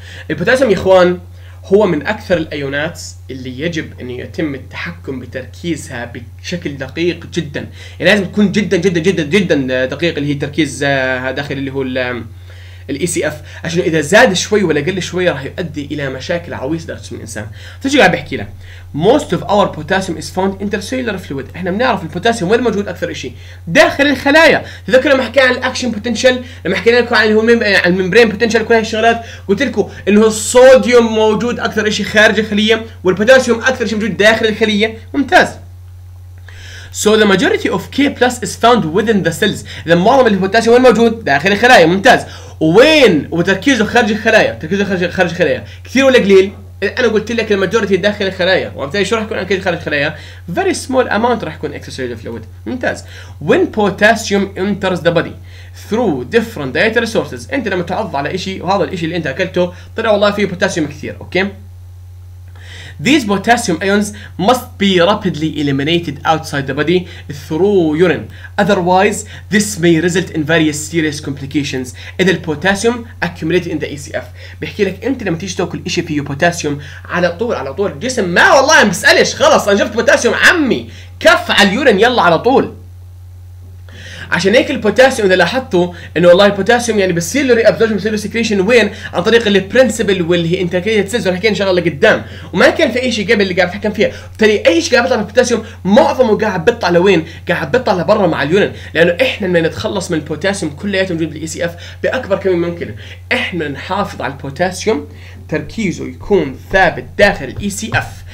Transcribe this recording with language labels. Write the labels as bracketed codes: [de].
[ar] البوتاسيوم يا اخوان هو من اكثر الايونات اللي يجب ان يتم التحكم بتركيزها بشكل دقيق جدا، يعني لازم تكون جدا جدا جدا جدا دقيق اللي هي تركيز داخل اللي هو الاي سي اف، عشان اذا زاد شوي ولا قل شوي راح يؤدي الى مشاكل عويصه داخل جسم الانسان. فشو قاعد بحكي له؟ [en] most of our potassium is found intercellular fluid. [ar] احنا بنعرف البوتاسيوم وين موجود اكثر شيء؟ داخل الخلايا. تذكروا لما حكينا عن الاكشن بوتنشال، لما حكينا لكم عن الممبرين بوتنشال، كل هاي الشغلات قلت لكم انه الصوديوم موجود اكثر شيء خارج الخليه والبوتاسيوم اكثر شيء موجود داخل الخليه. ممتاز. [en] So the majority of K plus is found within the cells. [ar] اذا معظم البوتاسيوم وين موجود؟ داخل الخلايا. ممتاز. وين وتركيزه؟ خارج الخلايا. تركيزه خارج الخلايا كثير ولا قليل؟ انا قلت لك الماجوريتي داخل الخلايا، وبالتالي شو راح يكون عن كل خارج الخلايا؟ [en] very small amount [ar] راح يكون اكسسوري فلويد. ممتاز. [en] When potassium enters the body through different diet resources. [ar] انت لما تعض على شيء وهذا الشيء اللي انت اكلته طلع والله فيه بوتاسيوم كثير، اوكي؟ [en] These potassium ions must be rapidly eliminated outside the body through urine. Otherwise, this may result in various serious complications. [ar] إذا البوتاسيوم [en] accumulated in the ECF. [ar] بحكي لك أنت لما تيجي تأكل إشي فيه بوتاسيوم على طول على طول الجسم ما والله ما بسألش خلاص أنا جبت بوتاسيوم عمي كف على اليورين يلا على طول. عشان هيك البوتاسيوم اذا لاحظتوا انه والله البوتاسيوم يعني بيصير له ري ابزوربشن بيصير له سكريشن وين عن طريق البرنسبل واللي انتجريتد سيلز حكينا ان شاء الله لقدام وما كان في اي شيء قبل اللي قاعد بتحكم فيها وبالتالي اي شيء قاعد بيطلع بالبوتاسيوم معظمه قاعد بيطلع لوين قاعد بيطلع لبرا مع اليورين لانه احنا بدنا نتخلص من البوتاسيوم كلياته موجود بالاي سي اف باكبر كميه ممكن احنا نحافظ على البوتاسيوم تركيزه يكون ثابت داخل الاي سي اف